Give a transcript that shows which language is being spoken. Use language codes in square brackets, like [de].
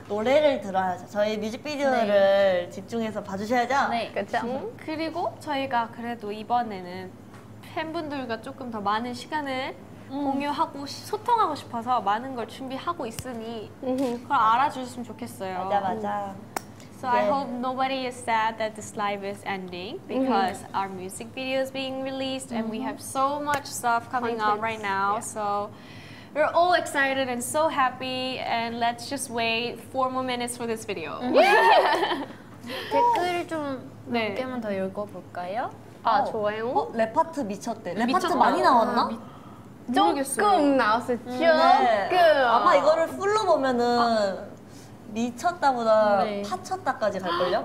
[ko] 노래를 들어야죠. 저희 뮤직비디오를 네. 집중해서 봐주셔야죠. 네, 그렇죠. 그리고 저희가 그래도 이번에는 팬분들과 조금 더 많은 시간을 공유하고 소통하고 싶어서 많은 걸 준비하고 있으니 그걸 알아주셨으면 좋겠어요. 맞아, 맞아. [en] So yeah. I hope nobody is sad that this live is ending because our music video is being released and we have so much stuff coming up right now. Yeah. So we're all excited and so happy and let's just wait 4 more minutes for this video. [ko] 댓글을 좀 몇 개만 더 읽어볼까요? 아, 좋아요. 랩파트 미쳤대. 랩파트 많이 나왔나? 조금 나왔었죠? 조금. 아마 이거를 풀로 보면은 미쳤다보다 파쳤다까지 갈걸요?